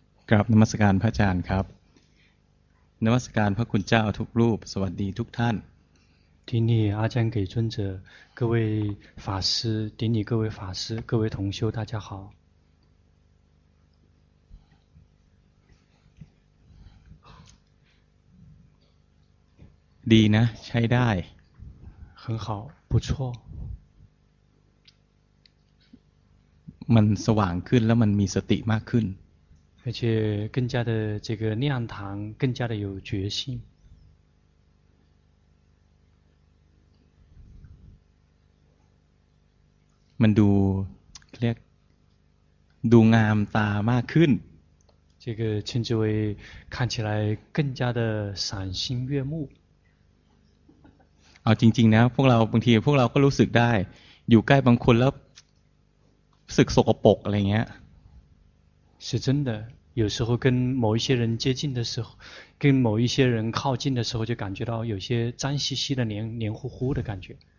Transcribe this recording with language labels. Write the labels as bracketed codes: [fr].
[th] กราบนมัสการพระอาจารย์ครับนมัสการพระคุณเจ้าทุกรูปสวัสดีทุกท่าน ที่นี่อาจารย์ [zh] 给尊者各位法师顶礼各位法师各位同修大家好 [th] ดีนะใช้ได้ [zh] 很好不错 [th] มันสว่างขึ้นแล้วมันมีสติมากขึ้น [zh] 而且更加的这个亮堂更加的有决心 [th] มันดูเรียกดูงามตามากขึ้น [zh] 这个称之为看起来更加的赏心悦目 [th] เอาจริงๆนะพวกเราบางทีพวกเราก็รู้สึกได้อยู่ใกล้บางคนแล้วสึกสกปรกอะไรเงี้ย [zh] 是真的有时候跟某一些人接近的时候跟某一些人靠近的时候就感觉到有些脏兮兮的黏糊糊的感觉